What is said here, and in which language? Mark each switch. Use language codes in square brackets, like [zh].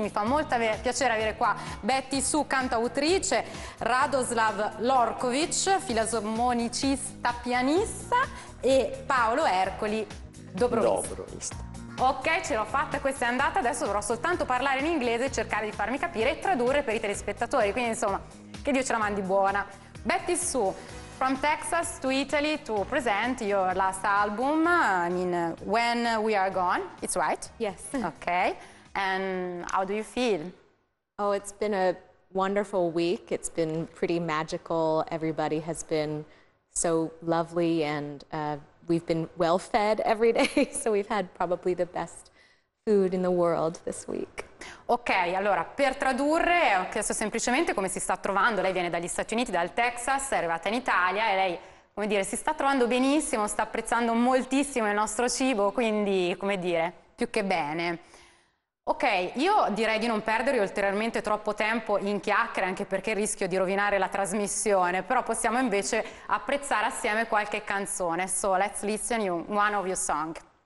[it] Mi fa molto piacere avere qua BettySoo, cantautrice, Radoslav Lorkovic, fisarmonicista, pianista, e Paolo Ercoli, Dobroista. Ok, ce l'ho fatta, questa è andata, adesso dovrò soltanto parlare in inglese e cercare di farmi capire e tradurre per i telespettatori, quindi insomma, che Dio ce la mandi buona. [en] BettySoo, from Texas to Italy to present your last album, I mean, When We Are Gone, it's right? Yes. Okay, and how do you feel? Oh, it's been a wonderful week, it's been pretty magical, everybody has been so lovely and we've been well fed every day, so we've had probably the best food in the world this week. [it] Ok, allora, per tradurre, ho chiesto semplicemente come si sta trovando. Lei viene dagli Stati Uniti, dal Texas, è arrivata in Italia e lei, come dire, si sta trovando benissimo, sta apprezzando moltissimo il nostro cibo, quindi, come dire, più che bene. Ok, io direi di non perdere ulteriormente troppo tempo in chiacchiere, anche perché rischio di rovinare la trasmissione, però possiamo invece apprezzare assieme qualche canzone. [en] So, let's listen to one of your songs.